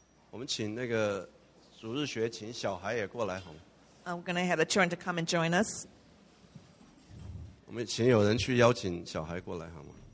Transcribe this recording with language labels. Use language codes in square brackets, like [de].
[zh] 我们请那个主日学，请小孩也过来，好吗？ [en] I'm going to have the children to come and join us. [zh] 我们请有人去邀请小孩过来，好吗？